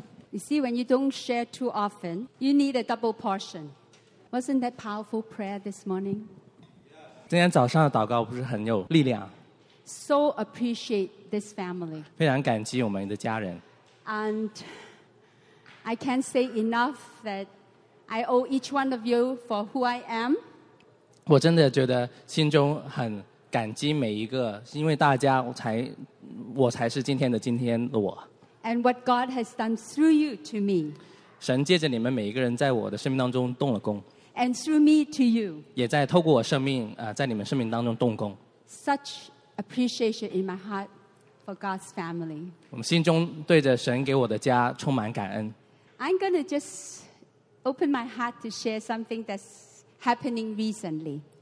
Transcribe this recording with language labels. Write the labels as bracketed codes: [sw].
[en] You see, when you don't share too often, you need a double portion. Wasn't that powerful prayer this morning? [zh] 今天早上的祷告不是很有力量? [en] So appreciate this family. [zh] 非常感激我们的家人。 [en] And I can't say enough that I owe each one of you for who I am. [zh] 我真的觉得心中很感激每一个，因为大家我才是今天的今天的我。 [en] And what God has done through you to me. [zh] 神借着你们每一个人在我的生命当中动了工。 [en] And through me to you. [zh] 也在透过我生命，在你们生命当中动工。 [en] Such appreciation in my heart for God's family. [zh] 我们心中对着神给我的家充满感恩。 [en] I'm going to just open my heart to share something that's happening recently.